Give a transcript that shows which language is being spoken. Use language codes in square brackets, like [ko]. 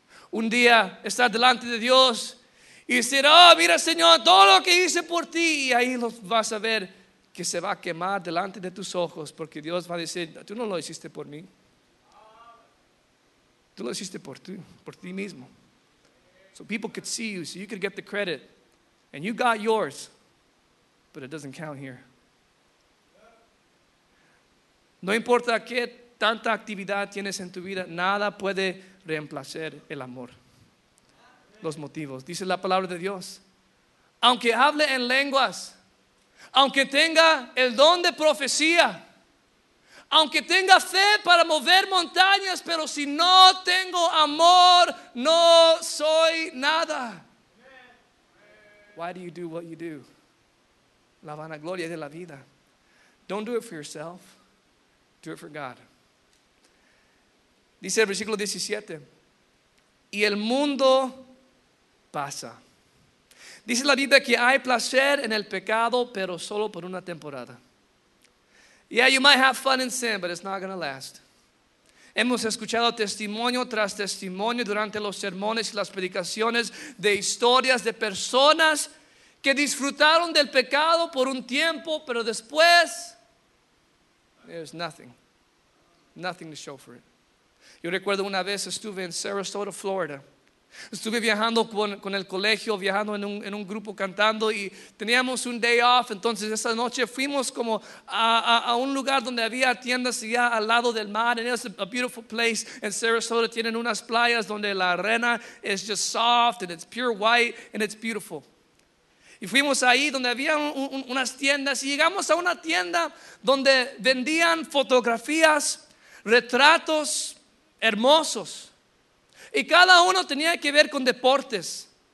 [es] Un día estar delante de Dios y decir, oh, mira, Señor, todo lo que hice por ti. Y ahí vas a ver que se va a quemar delante de tus ojos, porque Dios va a decir, tú no lo hiciste por mí, tú lo hiciste por ti mismo. [en] So people could see you, so you could get the credit, and you got yours, but it doesn't count here. [es] No importa qué tanta actividad tienes en tu vida, nada puede reemplazar el amor, los motivos. Dice la palabra de Dios, aunque hable en lenguas, aunque tenga el don de profecía, aunque tenga fe para mover montañas, pero si no tengo amor, no soy nada. [en] Why do you do what you do? [es] La vanagloria de la vida. [en] Don't do it for yourself, do it for God. [es] Dice el versículo 17, y el mundo pasa. Dice la Biblia que hay placer en el pecado, pero solo por una temporada. [en] Yeah, you might have fun in sin, but it's not going to last. [es] Hemos escuchado testimonio tras testimonio durante los sermones y las predicaciones de historias de personas que disfrutaron del pecado por un tiempo, pero después, [en] there's nothing. Nothing to show for it. [es] Yo recuerdo una vez estuve en Sarasota, Florida. Estuve viajando con el colegio, viajando en un grupo cantando, y teníamos un [en] day off. [es] Entonces esa noche fuimos como a un lugar donde había tiendas allá al lado del mar. [en] And it's a beautiful place in Sarasota. [es] Tienen unas playas donde la arena [en] is just soft and it's pure white and it's beautiful. [es] Y fuimos ahí donde había unas tiendas, y llegamos a una tienda donde vendían fotografías, retratos hermosos, y cada uno tenía que ver con deportes.